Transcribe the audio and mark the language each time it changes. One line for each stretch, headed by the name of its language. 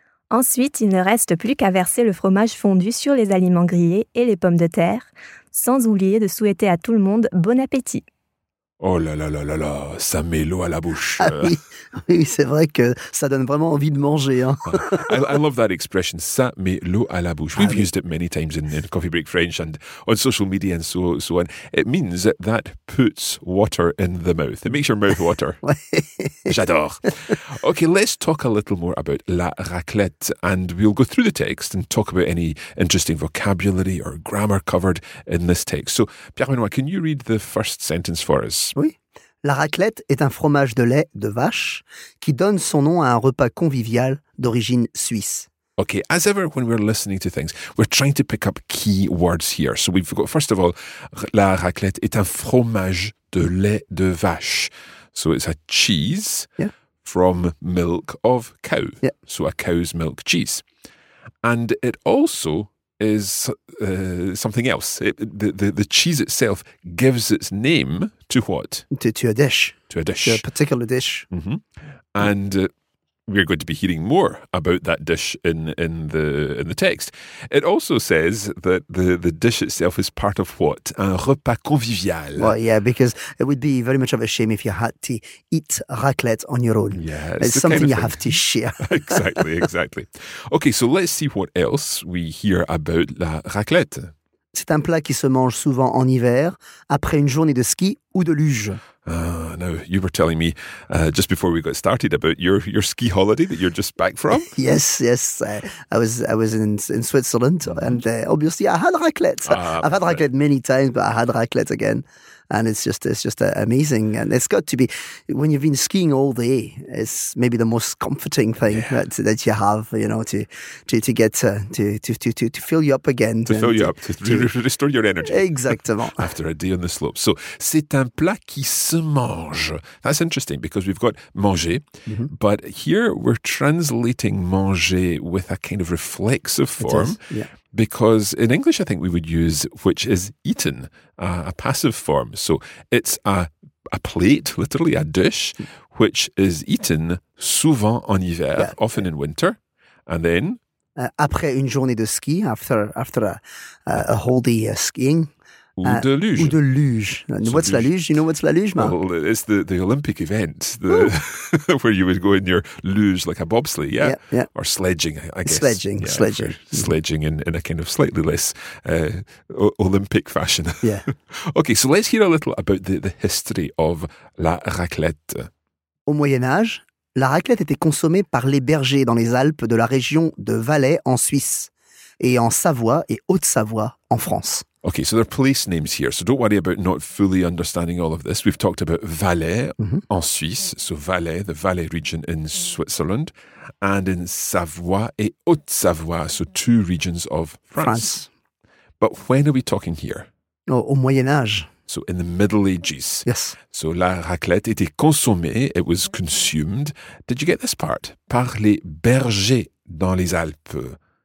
French: Ensuite, il ne reste plus qu'à verser le fromage fondu sur les aliments grillés et les pommes de terre, sans oublier de souhaiter à tout le monde bon appétit. Oh là là là là là, ça met l'eau à la bouche. Ah oui, Oui, c'est vrai que ça donne vraiment envie de manger. Hein.
English: I love that expression,
French: ça met l'eau à la bouche.
English: We've used it many times in Coffee Break French and on social media and so on. It means that puts water in the mouth. It makes your mouth water.
French: J'adore.
English: Okay, let's talk a little more about la raclette and we'll go through the text and talk about any interesting vocabulary or grammar covered in this text. So, Pierre-Benoît, can you read the first sentence for us?
French: Oui. La raclette est un fromage de lait de vache qui donne son nom à un repas convivial d'origine suisse.
English: Okay, as ever, when we're listening to things, we're trying to pick up key words here. So we've got, first of all,
French: la raclette est un fromage de lait de vache.
English: So it's a cheese from milk of cow. Yeah. So a cow's milk cheese. And it also is something else. The cheese itself gives its name to what? To a dish. To a dish. To a particular dish. Mm-hmm. And we're going to be hearing more about that dish in the text. It also says that the dish itself is part of what?
French: Un repas convivial.
English: Well, yeah, because it would be very much of a shame if you had to eat raclette on your own. Yeah, it's something kind of you thing. Have to share. Exactly. Okay, so let's see what else we hear about la raclette. C'est un plat qui se mange souvent en hiver, après une journée de ski ou de luge. Now, you were telling me just before we got started about your ski holiday that you're just back from. Yes. I was in Switzerland and obviously I had raclette. I've had raclette many times, but I had raclette again. And it's just amazing. And it's got to be, when you've been skiing all day, it's maybe the most comforting thing that you have, you know, to get to fill you up again. To restore your energy.
French: Exactement.
English: After a day on the slope.
French: So, c'est un plat qui se mange.
English: That's interesting because we've got manger, but here we're translating manger with a kind of reflexive form. Because in English, I think we would use, which is eaten, a passive form. So it's a plate, literally a dish, which is eaten
French: souvent en hiver,
English: often in winter. And then?
French: Après une journée de ski,
English: after a whole day of skiing.
French: Ou de luge.
English: What's la luge? You know what's la luge, man? Well, it's the Olympic event where you would go in your luge, like a bobsleigh, or sledging, I guess. Sledging. Sledging in a kind of slightly less Olympic fashion. Yeah. Okay, so let's hear a little about the history of la raclette.
French: Au Moyen-Âge, la raclette était consommée par les bergers dans les Alpes de la région de Valais en Suisse et en Savoie et Haute-Savoie en France.
English: Okay, so there are place names here. So don't worry about not fully understanding all of this. We've talked about Valais en Suisse. So Valais, the Valais region in Switzerland. And in Savoie et Haute-Savoie, so two regions of France. But when are we talking here?
French: Au Moyen-Âge.
English: So in the Middle Ages. Yes. So
French: la raclette était consommée,
English: it was consumed. Did you get this part?
French: Par les bergers dans les Alpes.